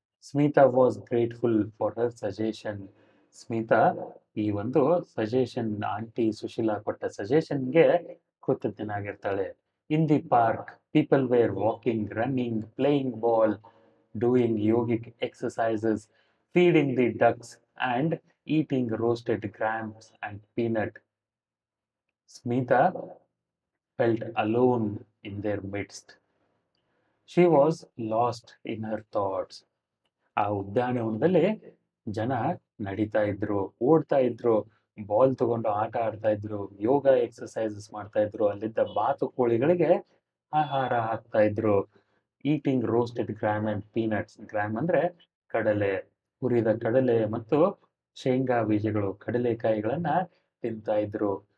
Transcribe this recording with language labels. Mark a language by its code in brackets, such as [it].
[en] Smita was grateful for her suggestion. [kn] Smita ಈ ಒಂದು suggestion, aunty Sushila ಕೊಟ್ಟ ಸಜೆಷನ್ಗೆ ಕೃತಜ್ಞನಾಗಿರ್ತಾಳೆ. [en] In the park people were walking, running, playing ball, doing yogic exercises, feeding the ducks and eating roasted grams and peanut. Smita felt alone in their midst. She was lost in her thoughts. [kn] ಆ ಉದ್ಯಾನವನದಲ್ಲಿ ಜನ ನಡೀತಾ ಇದ್ರು, ಓಡ್ತಾ ಇದ್ರು, ball ತಗೊಂಡು ಆಟ ಆಡ್ತಾ ಇದ್ರು, ಯೋಗ ಎಕ್ಸಸೈಸಸ್ ಮಾಡ್ತಾ ಇದ್ರು, ಅಲ್ಲಿದ್ದ ಬಾತುಕೋಳಿಗಳಿಗೆ ಆಹಾರ ಹಾಕ್ತಾ ಇದ್ರು. [en] eating roasted gram and peanuts, [kn] gram ಅಂದರೆ ಕಡಲೆ, ಹುರಿದ ಕಡಲೆ ಮತ್ತು ಶೇಂಗಾ ಬೀಜಗಳು, ಕಡಲೆಕಾಯಿಗಳನ್ನು ತಿಂತಾ ಇದ್ರು.